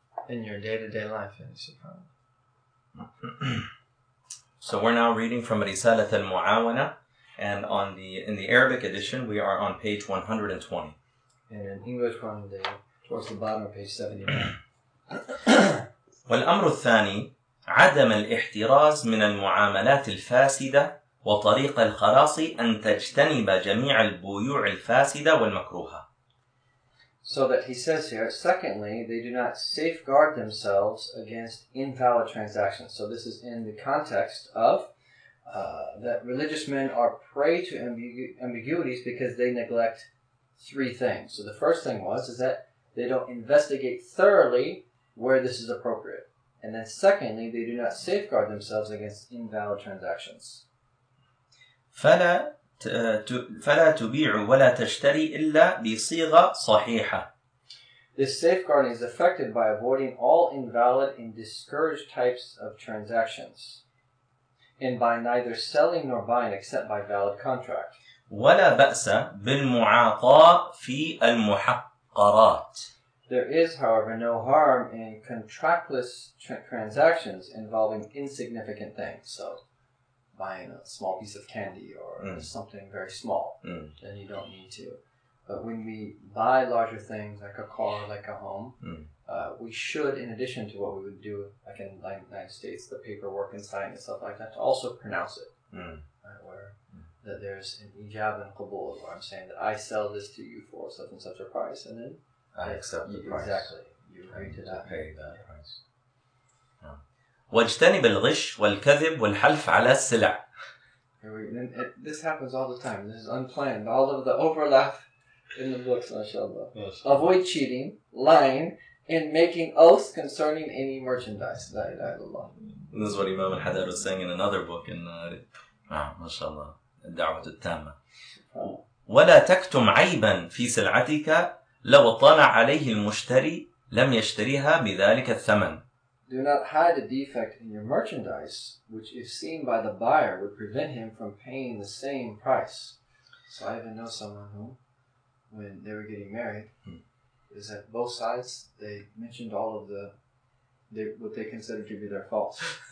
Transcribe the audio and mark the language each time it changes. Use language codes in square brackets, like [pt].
[en] in your day-to-day life. So we're now reading from Risalat al-Mu'awana, and in the Arabic edition, we are on page 120. And in English, we're on the, towards the bottom of page 79. [ar] والأمر الثاني عدم الاحتراز من المعاملات الفاسدة وطريق الخلاص أن تجتنب جميع البيوع الفاسدة والمكروهة. [en] So that he says here, secondly, they do not safeguard themselves against invalid transactions. So this is in the context of that religious men are prey to ambiguities because they neglect three things. So the first thing was is that they don't investigate thoroughly where this is appropriate. And then secondly, they do not safeguard themselves against invalid transactions. [ar] فلا تبيع ولا تشتري إلا بصيغة صحيحة. [en] This safeguarding is effected by avoiding all invalid and discouraged types of transactions, and by neither selling nor buying except by valid contract. [ar] ولا بأس بالمعاطاة في المحقرات. [en] There is, however, no harm in contractless transactions involving insignificant things. So buying a small piece of candy or something very small, then you don't need to. But when we buy larger things, like a car, like a home, we should, in addition to what we would do, like in the United States, the paperwork and sign and stuff like that, to also pronounce it. Right, where that there's an ijab and qabul, where I'm saying that I sell this to you for such and such a price, and then I accept the price. Exactly. You agree to that. Pay that price. [ar] واجتنب الغش والكذب والحلف على السلع. [en] This happens all the time. This is unplanned. All of the overlap in the books, mashallah. Yes. Avoid cheating, lying, and making oaths concerning any merchandise. [ar] La ilaha illallah. [en] This is what Imam al-Haddad was saying in another book in mashallah. [ar] الدعوة التامة. ولا تكتم عيبا في سلعتك لو طلع عليه المشتري لم يشتريها بذلك الثمن. [en] Do not hide a defect in your merchandise, which if seen by the buyer would prevent him from paying the same price. So I even know someone who, when they were getting married, is that both sides, they mentioned all of what they considered to be their faults.